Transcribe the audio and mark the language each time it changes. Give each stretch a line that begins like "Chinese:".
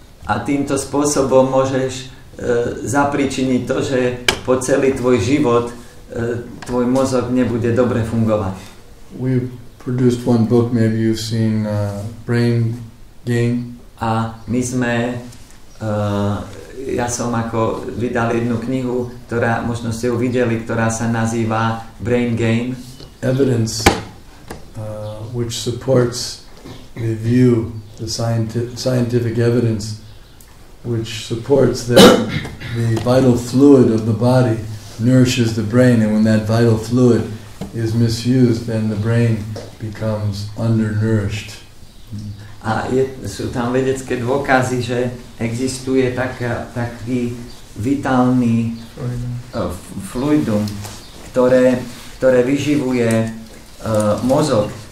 Slovak: A týmto spôsobom môžeš zapríčiniť to, že po celý tvoj život tvoj mozog nebude dobre fungovať.
English: We've produced one book, maybe you've seen Brain Game.
Slovak: A my sme ja som ako vydal jednu knihu, ktorá možno ste ju videli, ktorá sa nazýva Brain Game.
English: Evidence which supports the view, the scientific evidence which supports that the vital fluid of the body nourishes the brain, and when that vital fluid is misused, then the brain becomes undernourished.
Slovak: A sú tam vedecké dôkazy, že existuje taký vitálny fluidum, ktoré vyživuje mozog.